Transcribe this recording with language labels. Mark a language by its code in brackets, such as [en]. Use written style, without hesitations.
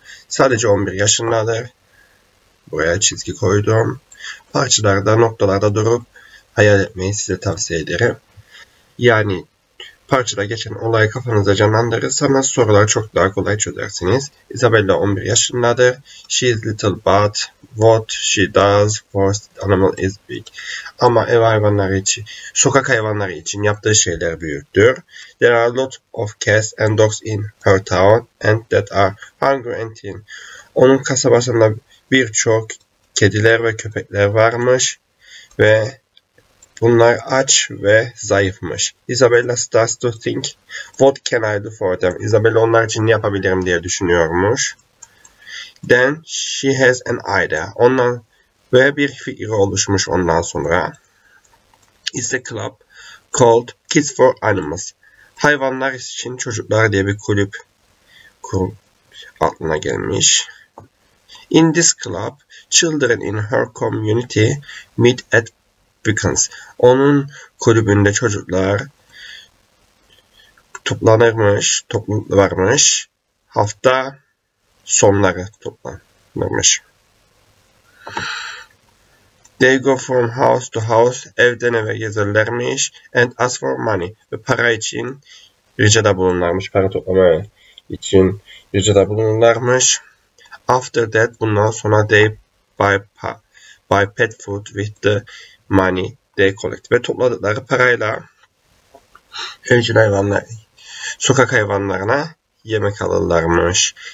[tr] Sadece 11 yaşındadır. Buraya çizgi koydum. Parçalarda, noktalarda durup hayal etmeyi size tavsiye ederim. Yani parçada geçen olayı kafanızda canlandırırsanız soruları çok daha kolay çözersiniz. Isabella 11 yaşındadır. [en] She is little but what she does for animal is big. [tr] Ama ev hayvanları için, sokak hayvanları için yaptığı şeyler büyüktür. [en] There are a lot of cats and dogs in her town and that are hungry and thin. [tr] Onun kasabasında birçok kediler ve köpekler varmış ve bunlar aç ve zayıfmış. [en] Isabella starts to think, what can I do for them? [tr] Isabella onlar için ne yapabilirim diye düşünüyormuş. [en] Then she has an idea. [tr] Ondan ve bir fikri oluşmuş ondan sonra. [en] It's a club called Kids for Animals. [tr] Hayvanlar için çocuklar diye bir kulüp aklına gelmiş. [en] In this club, children in her community meet at Pickens. [tr] Onun kulübünde çocuklar toplanırmış, varmış. Hafta sonları toplanırmış. [en] They go from house to house, [tr] evden eve gezerlermiş [en] and ask for money. [tr] Ve para için ricada bulunurlarmış, para toplama için ricada bulunurlarmış. [en] After that, [tr] bundan sonra [en] they buy pet food with the money they collect. [tr] Ve topladıkları parayla evcil hayvanlar, sokak hayvanlarına yemek alırlarmış.